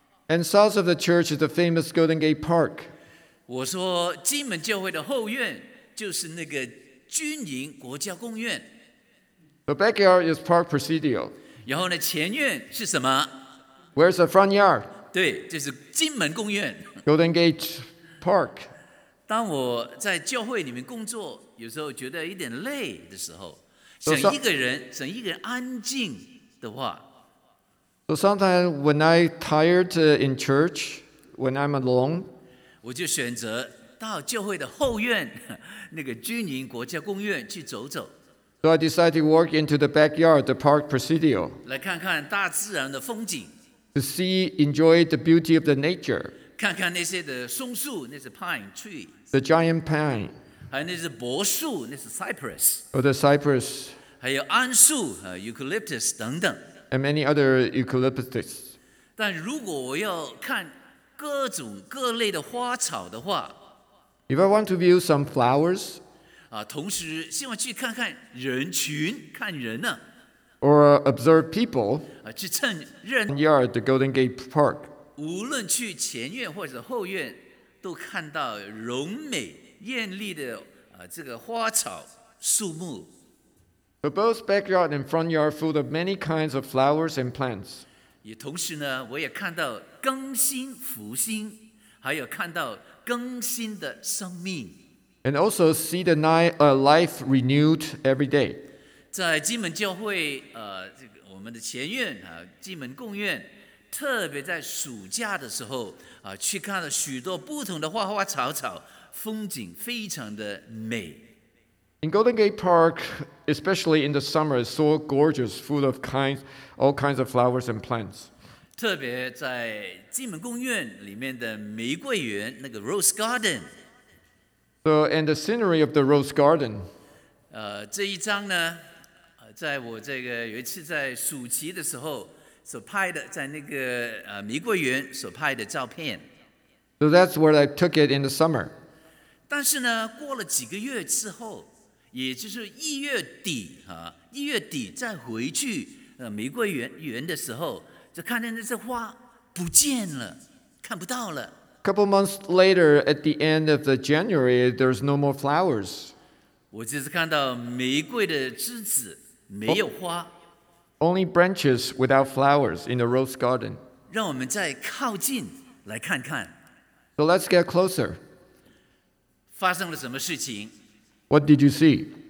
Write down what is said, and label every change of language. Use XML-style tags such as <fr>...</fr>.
<en>And south of the church is the famous Golden Gate Park.</en> <zh>我说金门教会的后院就是那个军营国家公园。</zh> <en>The backyard is Park Presidio.</en> <zh>然后呢，前院是什么？</zh> <en>Where's the front yard?</en> <zh>对，就是金门公园</zh> <en>Golden Gate. Park.</en> <zh>当我在教会里面工作，有时候觉得有点累的时候，想一个人安静的话。</zh> <en>So sometimes when I tired in church, when I'm alone,</en> <zh>我就选择到教会的后院，那个军营国家公园去走走。</zh> <en>So I decided to walk into the backyard, the Park Presidio,</en> <zh>来看看大自然的风景。</zh> <en>To see, enjoy the beauty of the nature.</en> <zh>看看那些的松树，那是 pine tree.</zh> <en>The giant pine.</en> <zh>还有那是柏树，那是 cypress.</zh> <en>Or the cypress.</en> <zh>还有桉树，eucalyptus 等等。</zh> <en>And many other eucalyptus.</en> <zh>但如果我要看各种各类的花草的话</zh> <en>，If I want to view some flowers,</en> <zh>同时希望去看看人群，看人呢</zh> <en>，Or observe people.</en> <zh>去蹭热闹。</zh> <en>Yard the Golden Gate Park.</en> <zh>无论去前院或者后院，都看到荣美艳丽的这个花草树木。</zh> <en>But both backyard and front yard full of many kinds of flowers and plants.</en> <zh>也同时呢，我也看到更新复兴，还有看到更新的生命。</zh> <en>And also see the life renewed every day.</en> <zh>在金门教会这个我们的前院金门公院。特别在暑假的时候去看了许多不同的花花草草，风景非常的美。</zh> <en>In Golden Gate Park, especially in the summer, it's so gorgeous, full of all kinds of flowers and plants.</en> <zh>特别在金门公园里面的玫瑰园，那个 Rose Garden.</zh> <en>So, and the scenery of the Rose Garden.</en> <zh>这一张呢，在我这个有一次在暑期的时候。所拍的在那个玫瑰园所拍的照片。</zh> <en>So that's where I took it in the summer.</en> <zh>但是呢，过了几个月之后，也就是一月底啊，一月底再回去玫瑰园的时候，就看见那些花不见了，看不到了。</zh> <en>Couple months later, at the end of the January, there's no more flowers.</en> <zh>我就是看到玫瑰的枝子没有花。</zh> <en>Only branches without flowers in the rose garden.</en> <zh>让我们再靠近来看看。</zh> <en>So let's get closer.</en> <zh>发生了什么事情？</zh> <en>What did you see?</en>